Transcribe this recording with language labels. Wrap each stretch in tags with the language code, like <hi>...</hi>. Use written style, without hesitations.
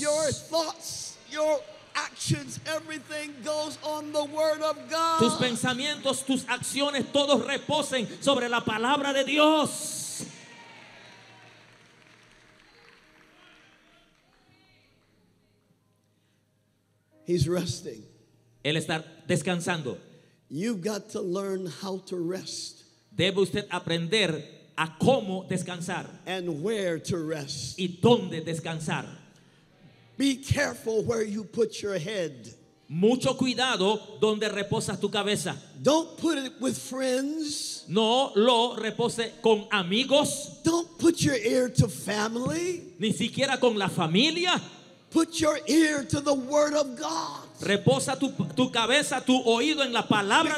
<en>Your thoughts, your actions, everything goes on the word of God.</en> <es>Tus pensamientos, tus acciones, todos reposen sobre la palabra de Dios.</es> <en>He's resting.</en> <es>Él está descansando.</es> <en>You've got to learn how to rest.</en> <es>Debe usted aprender a cómo descansar.</es> <en>And where to rest.</en> <es>Y dónde descansar.</es> <en>Be careful where you put your head.</en> <es>Mucho cuidado donde reposas tu cabeza.</es> <en>Don't put it with friends.</en> <es>No lo repose con amigos.</es> <en>Don't put your ear to family.</en> <es>Ni siquiera con la familia.</es> <en>Put your ear to the word of God.</en> <es>Reposa tu cabeza, tu oído en la palabra</es>